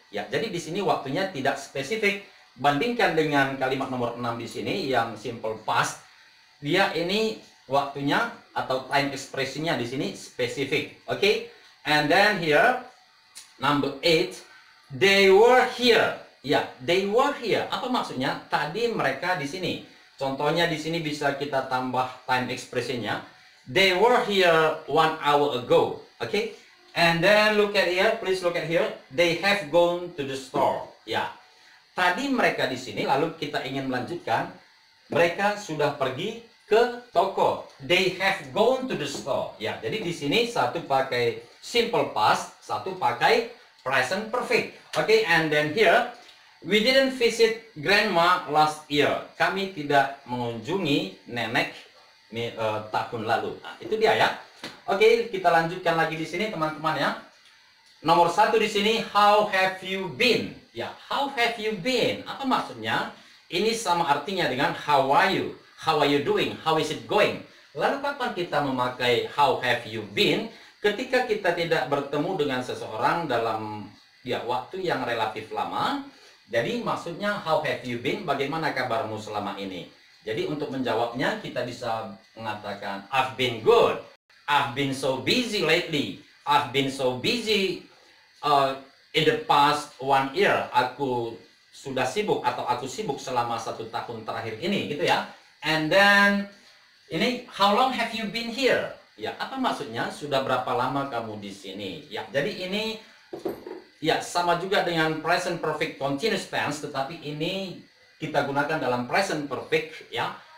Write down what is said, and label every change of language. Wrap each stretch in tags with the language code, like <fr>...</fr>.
<id>Ya, jadi di sini waktunya tidak spesifik. Bandingkan dengan kalimat nomor 6 di sini yang simple past, dia ini waktunya atau time expressionnya di sini spesifik. Oke? Okay?</id> <en>And then here number 8, they were here.</en> <id>Ya,</id> <en>they were here.</en> <id>Apa maksudnya? Tadi mereka di sini. Contohnya di sini bisa kita tambah time expressionnya.</id> <en>They were here 1 hour ago. Oke? Okay? And then look at here, please look at here. They have gone to the store.</en> <id>Ya. Tadi mereka di sini, lalu kita ingin melanjutkan. Mereka sudah pergi ke toko.</id> <en>They have gone to the store.</en> <id>Ya, jadi di sini satu pakai simple past, satu pakai present perfect.</id> <en>Oke, and then here, we didn't visit grandma last year.</en> <id>Kami tidak mengunjungi nenek tahun lalu. Nah, itu dia ya. Oke, kita lanjutkan lagi di sini teman-teman ya.</id> <en>Nomor 1 di sini, how have you been? Ya, how have you been?</en> <id>Apa maksudnya? Ini sama artinya dengan</id> <en>how are you? How are you doing? How is it going?</en> <id>Lalu kapan kita memakai how have you been? Ketika kita tidak bertemu dengan seseorang dalam ya waktu yang relatif lama, Jadi maksudnya</id> <en>how have you been?</en> <id>Bagaimana kabarmu selama ini? Jadi untuk menjawabnya kita bisa mengatakan</id> <en>I've been good. I've been so busy lately. I've been so busy in the past one year.</en> <id>Aku sudah sibuk atau aku sibuk selama satu tahun terakhir ini, gitu ya.</id> <en>And then ini how long have you been here?</en> <id>Ya, apa maksudnya? Sudah berapa lama kamu di sini? Ya, jadi ini ya sama juga dengan present perfect continuous tense, tetapi ini kita gunakan dalam present perfect, ya.</id>